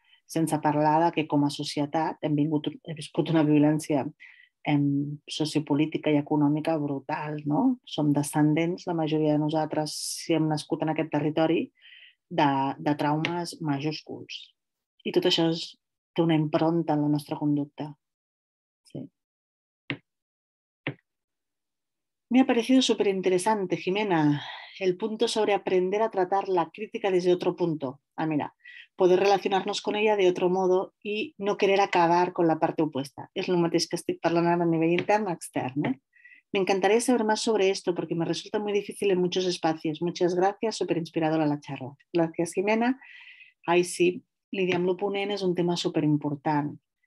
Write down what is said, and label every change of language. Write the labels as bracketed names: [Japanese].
[Catalan] Sense parlar de que com a societat hem viscut una violència sociopolítica i econòmica brutal, no? Som descendents, la majoria de nosaltres, si hem nascut en aquest territori, de traumes majúsculs. I tot això té una impronta en la nostra conducta. Sí. [Spanish] Me ha parecido súper interesante, Jimena, el punto sobre aprender a tratar la crítica desde otro punto. Ah, mira, poder relacionarnos con ella de otro modo y no querer acabar con la parte opuesta. Es lo mismo que estoy hablando a nivel interno o externo. Me encantaría saber más sobre esto porque me resulta muy difícil en muchos espacios. Muchas gracias, súper inspiradora la charla. Gracias, Jimena. Ay, sí, lidiar [Catalan] amb lo ponent [Spanish] es un tema súper importante.